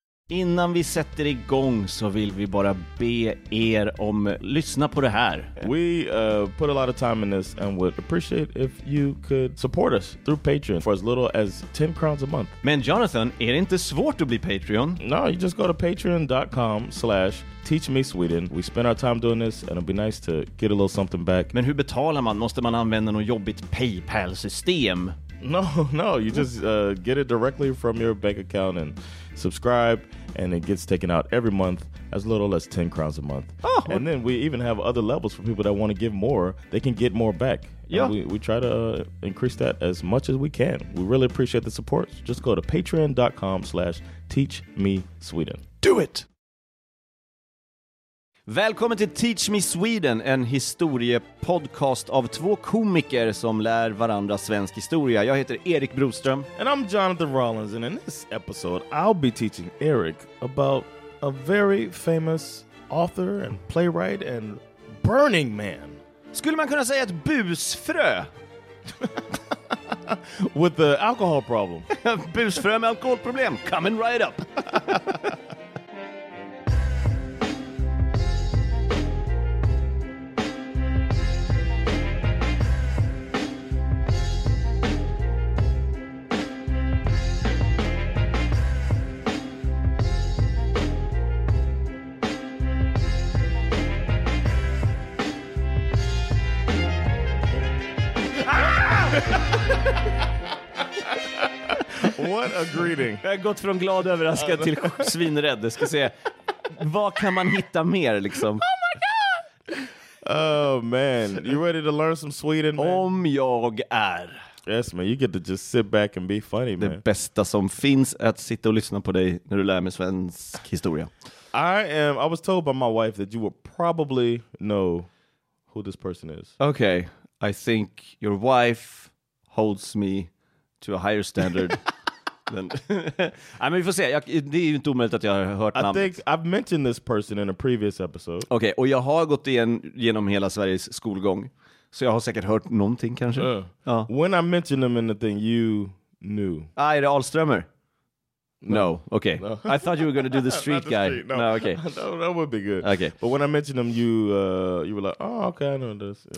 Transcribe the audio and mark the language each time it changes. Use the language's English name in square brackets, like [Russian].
[Swedish] Innan vi sätter igång så vill vi bara be er om lyssna på det här. [English] We put a lot of time in this and would appreciate if you could support us through Patreon for as little as 10 crowns a month. [Swedish] Men Jonathan, är det inte svårt att bli Patreon? [English] No, you just go to patreon.com/teachmesweden. We spend our time doing this and it'd be nice to get a little something back. [Swedish] Men hur betalar man? Måste man använda något jobbigt PayPal-system? [English] No, you just get it directly from your bank account and subscribe, and it gets taken out every month as little as 10 crowns a month. Oh, and then we even have other levels for people that want to give more. They can get more back. Yeah. We try to increase that as much as we can. We really appreciate the support. Just go to patreon.com/teachmesweden. Do it! [Swedish] Välkommen till Teach Me Sweden, en historiepodcast av två komiker som lär varandra svensk historia. Jag heter Erik Broström. [English] And I'm Jonathan Rollins, and in this episode I'll be teaching Eric about a very famous author and playwright and burning man. [Swedish] Skulle man kunna säga ett busfrö? [English] With the alcohol problem. [Swedish] Busfrö med alkoholproblem, [English] coming right up. What a greeting. [Swedish] Jag har gått från glad överraskad till svinrädd. Jag ska se, vad kan man hitta mer liksom? [English] Oh my god. Oh man, you ready to learn some Sweden, man? [Swedish] Om jag är. [English] Yes man, you get to just sit back and be funny, man. [Swedish] Det bästa som finns är att sitta och lyssna på dig när du lär mig svensk historia. [English] I was told by my wife that you would probably know who this person is. Okay, I think your wife holds me to a higher standard. I mean, [Swedish] vi får se. Det är ju inte omöjligt att jag har hört namnet. [English] I think I've mentioned this person in a previous episode. [Swedish] Okej, och jag har gått igenom hela Sveriges skolgång. Så jag har säkert hört någonting kanske. [English] When I mentioned him in the thing, you knew. [Swedish] Ah, är det Ahlströmer? [English] No. Okay. No. I thought you were going to do the street the guy. Street, no, okay. That would be good. Okay. But when I mentioned him, you were like, "Oh, okay, I know this."